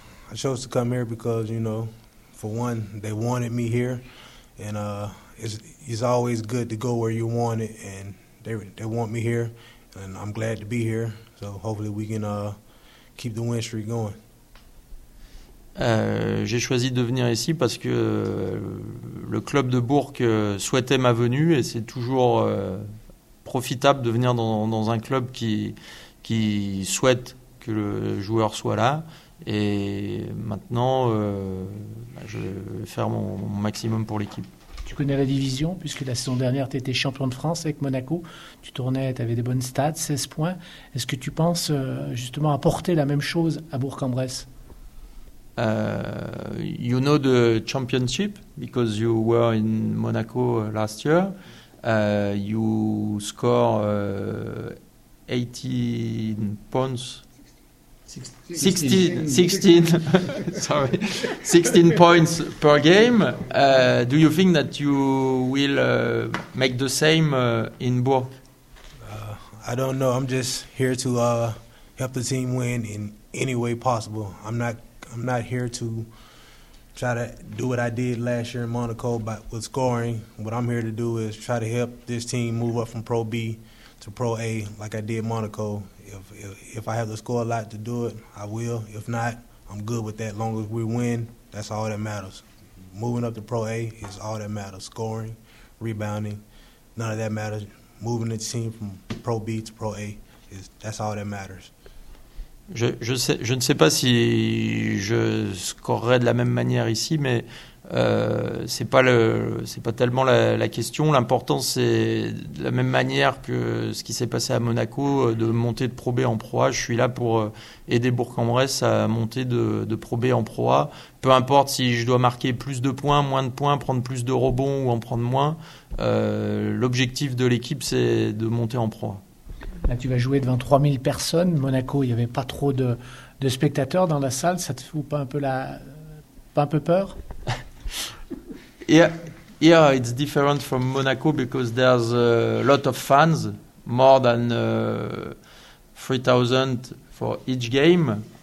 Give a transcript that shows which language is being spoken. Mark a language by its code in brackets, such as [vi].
[en] I chose to come here because, you know, for one, they wanted me here, and it's always good to go where you want it, and they want me here, and I'm glad to be here, so hopefully we can keep the win streak going. [fr] J'ai choisi de venir ici parce que le club de Bourg souhaitait ma venue, et c'est toujours profitable de venir dans un club qui souhaite que le joueur soit là. Et maintenant, je vais faire mon maximum pour l'équipe. Tu connais la division, puisque la saison dernière, tu étais champion de France avec Monaco. Tu tournais, tu avais des bonnes stats, 16 points. Est-ce que tu penses justement apporter la même chose à Bourg-en-Bresse? [en] You know the championship, because you were in Monaco last year. You score 18 points. 16 points per game. Do you think that you will make the same in Bourg? I don't know. I'm just here to help the team win in any way possible. I'm not here to try to do what I did last year in Monaco by with scoring. What I'm here to do is try to help this team move up from Pro B to Pro A like I did Monaco. If I have to score a lot to do it, I will. If not, I'm good with that. As long as we win, that's all that matters. Moving up to Pro A is all that matters. Scoring, rebounding, none of that matters. Moving the team from Pro B to Pro A, that's all that matters. [fr] Je ne sais pas si je scorerai de la même manière ici, mais c'est pas tellement la question. L'important, c'est de la même manière que ce qui s'est passé à Monaco, de monter de Pro B en Pro A. Je suis là pour aider Bourg-en-Bresse à monter de Pro B en Pro A. Peu importe si je dois marquer plus de points, moins de points, prendre plus de rebonds ou en prendre moins. L'objectif de l'équipe, c'est de monter en Pro A. Là, tu vas jouer devant 3000 personnes. Monaco, il n'y avait pas trop de spectateurs dans la salle. Ça te fout pas un peu peur? [en] Yeah, it's different from Monaco because there's a lot of fans, more than 3,000 for each game.